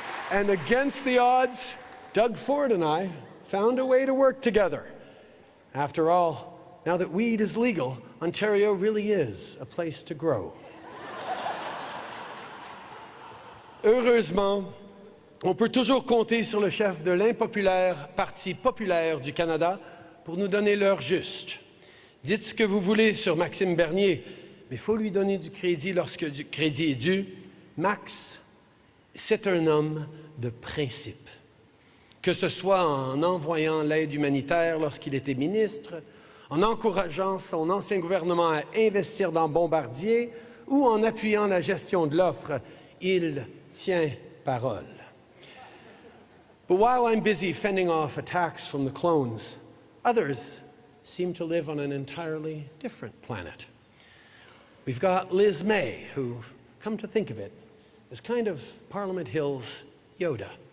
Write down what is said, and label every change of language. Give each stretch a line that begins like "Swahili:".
English: And against the odds, Doug Ford and I found a way to work together. After all, now that weed is legal, Ontario really is a place to grow.
French: Heureusement, on peut toujours compter sur le chef de l'impopulaire Parti populaire du Canada pour nous donner l'heure juste. Dites ce que vous voulez sur Maxime Bernier, mais il faut lui donner du crédit lorsque du crédit est dû. Max, c'est un homme de principe. Que ce soit en envoyant l'aide humanitaire lorsqu'il était ministre, en encourageant son ancien gouvernement à investir dans Bombardier ou en appuyant la gestion de l'offre, il tient parole.
English: But while I'm busy fending off attacks from the clones, others seem to live on an entirely different planet. We've got Liz May, who, come to think of it, is kind of Parliament Hill's Yoda.